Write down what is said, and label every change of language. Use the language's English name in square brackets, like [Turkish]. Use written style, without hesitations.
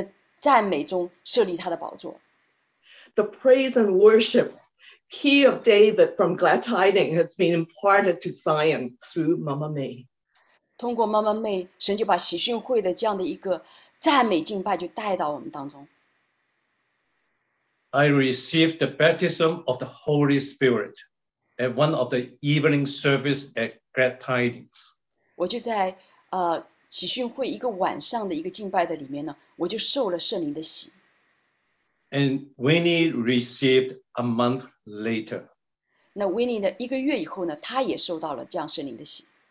[Chinese] 神在他的百姓的赞美中设立他的宝座。 [English] The praise and worship key of David from glad tidings has been imparted to Zion through Mama May. [Chinese] 通过 Mama May, 神就把喜讯会的这样的一个赞美敬拜就带到我们当中。 [English] I received the baptism of the Holy Spirit at one of the evening service at glad tidings. [Chinese] 我就在 喜讯会一个晚上的一个敬拜的里面呢, 我就受了圣灵的洗。 [English] And Winnie received a month later. [Chinese] 那Winnie的一个月以后呢, 她也受到了这样圣灵的洗。